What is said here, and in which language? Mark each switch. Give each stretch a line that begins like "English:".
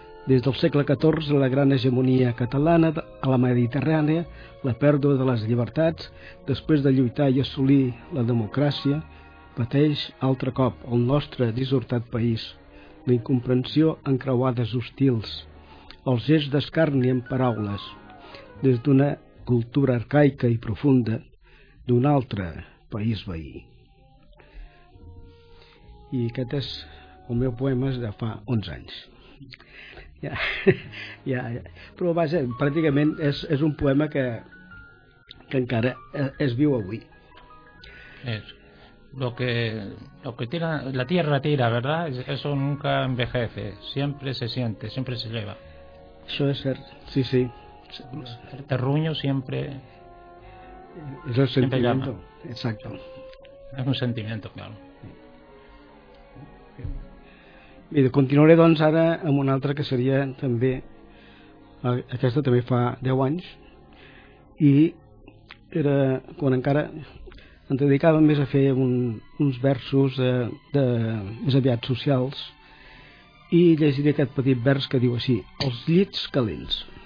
Catalan: Des del segle XIV, la gran hegemonia catalana a la Mediterrània, la pèrdua de les llibertats, després de lluitar i assolir la democràcia, pateix altre cop el nostre dissortat país, la incomprensió en creuades hostils, els gests d'escarni en paraules, des d'una cultura arcaica i profunda d'un altre país veí. I aquest és el meu poema de fa 11 anys. Ja. Però vaja, pràcticament és un poema que encara es viu avui. És.
Spanish: Lo que tira, la tierra tira, ¿verdad? Eso nunca envejece, siempre se siente, siempre se lleva. Eso es ser, sí, sí. El terruño siempre. Es el sentimiento, exacto. Es un sentimiento, claro. Y continuaré,
Catalan: doncs, ara amb un altre que seria també. Aquesta també fa 10 anys. I era quan encara em dedicava més a fer uns versos de més aviat socials, i llegiré aquest petit vers que diu així: Els llits calents.